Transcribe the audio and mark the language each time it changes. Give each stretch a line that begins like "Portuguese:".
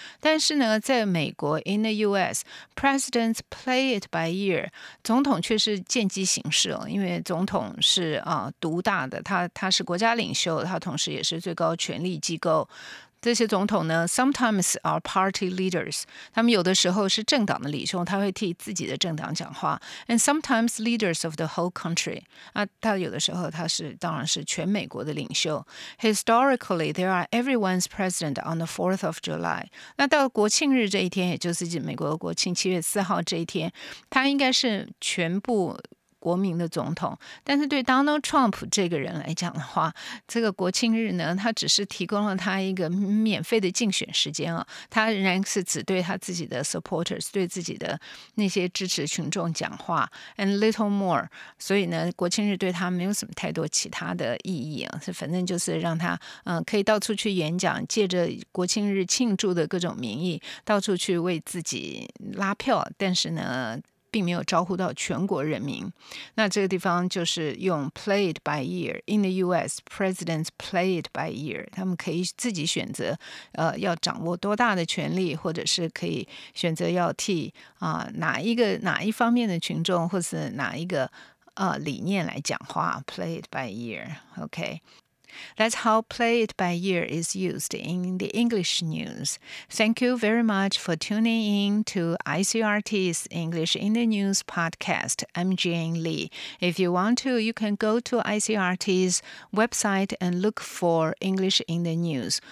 Chinese: 但是呢，在美国
English: in the U.S. presidents play it by ear，
Chinese: 总统却是见机行事哦，因为总统是独大的，他是国家领袖，他同时也是最高权力机构。这些总统呢
English: sometimes are party leaders.
Chinese: 他们有的时候是政党的领袖，他会替自己的政党讲话。
English: And sometimes leaders of the whole country.
Chinese: 啊，他有的时候他是当然是全美国的领袖。
English: Historically, there are everyone's president on the 4th of July.
Chinese: 那到国庆日这一天，也就是美国国庆7月4号这一天，他应该是全部国民的总统，但是对 Donald Trump 这个人来讲的话，这个国庆日呢，他只是提供了他一个免费的竞选时间啊，他仍然是只对他自己的 supporters， 对自己的那些支持群众讲话 ，
English: and little more。
Chinese: 所以呢，国庆日对他没有什么太多其他的意义啊，反正就是让他可以到处去演讲，借着国庆日庆祝的各种名义，到处去为自己拉票，但是呢。并没有招呼到全国人民。那这个地方就是用
English: play it by ear. In the US, presidents play it by ear.
Chinese: 他们可以自己选择、要掌握多大的权力，或者是可以选择要替、哪一方面的群众，或是哪一个、理念来讲话。
English: Play it by ear. OK. That's how play it by ear is used in the English news. Thank you very much for tuning in to ICRT's English in the News podcast. I'm Jane Lee. If you want to, you can go to ICRT's website and look for English in the News.